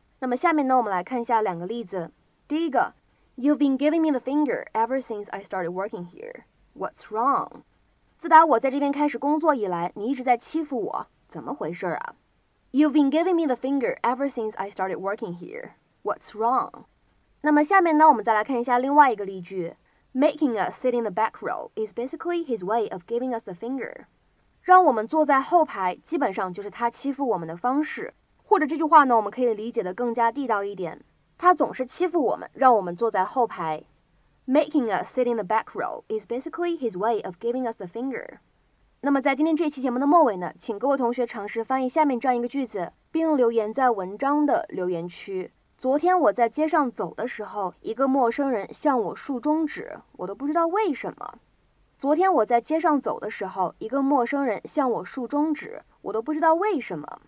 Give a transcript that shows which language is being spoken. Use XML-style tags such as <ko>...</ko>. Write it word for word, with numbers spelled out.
<zh>那么下面呢，我们来看一下两个例子。第一个</zh> <en>，You've been giving me the finger ever since I started working here. What's wrong？</en> <zh>自打我在这边开始工作以来，你一直在欺负我，怎么回事啊 ？</zh> <en>You've been giving me the finger ever since I started working here. What's wrong?</en> <zh>那么下面呢，我们再来看一下另外一个例句</zh> <en>Making us sit in the back row is basically his way of giving us the finger.</en> <zh>让我们坐在后排，基本上就是他欺负我们的方式。或者这句话呢，我们可以理解的更加地道一点，他总是欺负我们，让我们坐在后排。</zh> <en>Making us sit in the back row is basically his way of giving us the finger.</en> <zh>那么在今天这期节目的末尾呢，请各位同学尝试翻译下面这样一个句子，并留言在文章的留言区。昨天我在街上走的时候，一个陌生人向我竖中指，我都不知道为什么。昨天我在街上走的时候，一个陌生人向我竖中指，我都不知道为什么。</zh>